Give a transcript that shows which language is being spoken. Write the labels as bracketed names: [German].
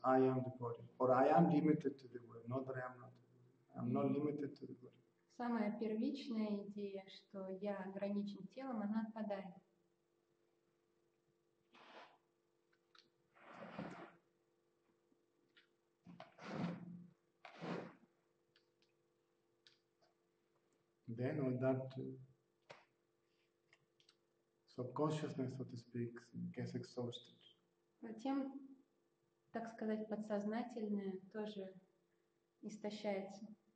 [English] I am the body, or I am limited to the world. Not that I am not. I'm not limited to the body. [Russian] Самая первичная идея, что я ограничен телом, она отпадает. [English] Then all that subconsciousness, so to speak, gets exhausted. [Russian] Затем, так сказать, подсознательное тоже истощается.